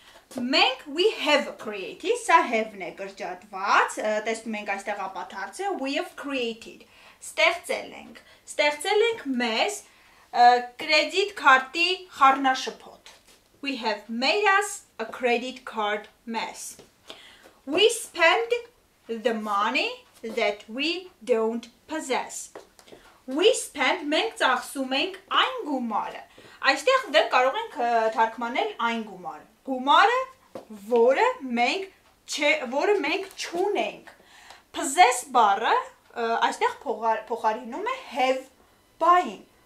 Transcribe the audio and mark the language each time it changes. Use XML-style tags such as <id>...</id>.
<hy>Մենք</hy> <en>we have created,</en> <hy>սա have-ն է կրճատված, տեսնում ենք այստեղ ապաթարցը, we have created, ստեղծել ենք մեզ credit card-ի խառնաշփոթ.</hy> <en>We have made us a credit card mess. We spend the money that we don't possess. We spend,</en> <hy>մենք ծախսում ենք այն գումարը, այստեղ դեռ կարող ենք թարգմանել այն գումարը, գումարը, որը մենք չունենք. Possess բառը այստեղ փոխարինում է have բառին.</hy>